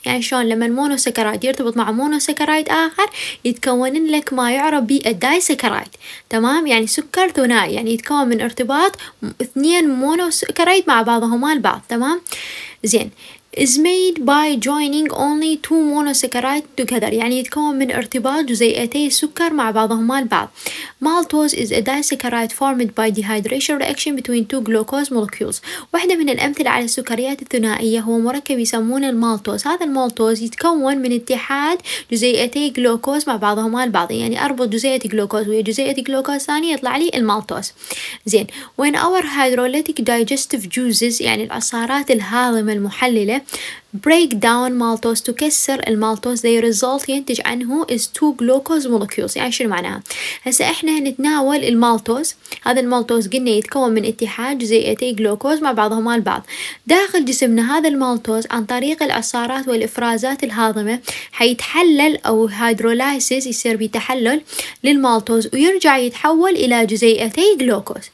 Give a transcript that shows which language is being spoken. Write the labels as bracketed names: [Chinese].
[Arabic] يعني شلون؟ لما المونوسكرايد يرتبط مع مونوسكرايد آخر يتكون لك ما يعرف بالدايسكرايد. تمام؟ يعني سكر ثنائي، يعني يتكون من ارتباط اثنين مونوسكرايد مع بعضهما البعض. تمام؟ زين. [English] is made by joining only two monosaccharides together، [Arabic] يعني يتكون من ارتباط جزيئتي السكر مع بعضهما البعض. [English] maltose is a disaccharide formed by dehydration reaction between two glucose molecules. [Arabic] واحدة من الأمثلة على السكريات الثنائية هو مركب يسمونه المالتوز. هذا المالتوز يتكون من اتحاد جزيئتي جلوكوز مع بعضهما البعض، يعني أربط جزيئة جلوكوز ويا جزيئة جلوكوز ثانية يطلع لي المالتوز. زين. [English] when our hydrolytic digestive juices، [Arabic] يعني العصارات الهاضمة المحللة، [English] break down maltose، [Arabic] تكسر المالتوز، [English] they result [Arabic] ينتج عنه [English] is two glucose molecules. [Arabic] يعني شنو معناها؟ هسا احنا نتناول المالتوز، هذا المالتوز قلنا يتكون من اتحاد جزيئتي جلوكوز مع بعضهما البعض. داخل جسمنا هذا المالتوز عن طريق العصارات والافرازات الهاضمة حيتحلل او هيدرولايسيس، يصير بتحلل للمالتوز ويرجع يتحول الى جزيئتي جلوكوز.